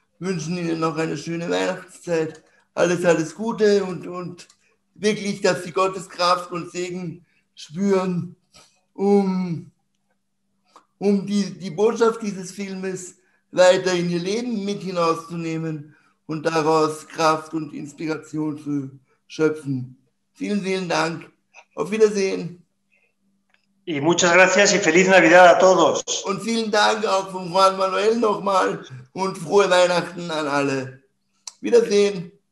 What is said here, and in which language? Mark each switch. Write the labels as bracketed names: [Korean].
[German] Wünschen Ihnen noch eine schöne Weihnachtszeit. Alles, alles Gute und wirklich, dass Sie Gottes Kraft und Segen spüren, um die Botschaft dieses Filmes weiter in Ihr Leben mit hinauszunehmen und daraus Kraft und Inspiration zu schöpfen. Vielen, vielen Dank. Auf Wiedersehen. [Spanish] Y muchas gracias y feliz Navidad a todos. [German] Und vielen Dank auch von Juan Manuel nochmal und frohe Weihnachten an alle. Wiedersehen.